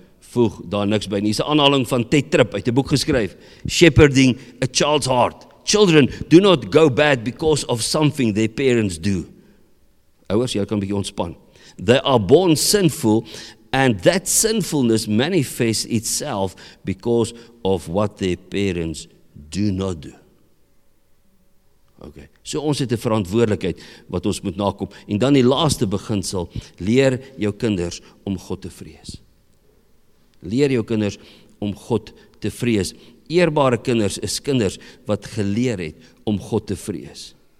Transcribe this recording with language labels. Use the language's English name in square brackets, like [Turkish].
[Afrikaans] Voeg daar niks by nie. Dis 'n aanhaling van Ted Tripp uit 'n boek geskryf, Shepherding a Child's Heart. [English] Children do not go bad because of something their parents do. [Afrikaans] Ouers, jy kan 'n bietjie ontspan. [English] They are born sinful and that sinfulness manifests itself because of what their parents do not do. Okay. [Afrikaans] So ons het 'n verantwoordelikheid wat ons moet nakom. En dan die laaste beginsel, leer jou kinders om God te vrees. Leer jou kinders om God te vrees. Eerbare kinders is kinders wat geleer het om God te vrees.